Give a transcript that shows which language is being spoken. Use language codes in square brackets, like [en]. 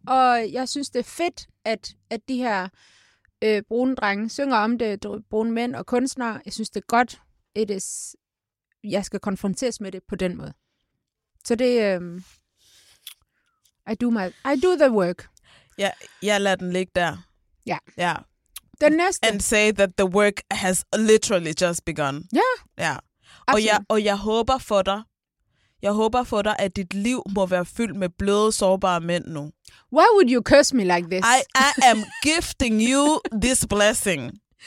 [da] Og jeg synes, det er fedt, at de her brune drenge synger om det, brune mænd og kunstnere. Jeg synes, det er godt. Jeg skal konfronteres med det på den måde. Så det [en] I do the work. [da] Ja, jeg lader den ligge der. Ja. Ja. Den næste. [en] And say that the work has literally just begun. [da] Ja. Ja. Og jeg håber for dig. Jeg håber for dig, at dit liv må være fyldt med bløde, sårbare mænd nu. [en] Why would you curse me like this? I am gifting you this blessing.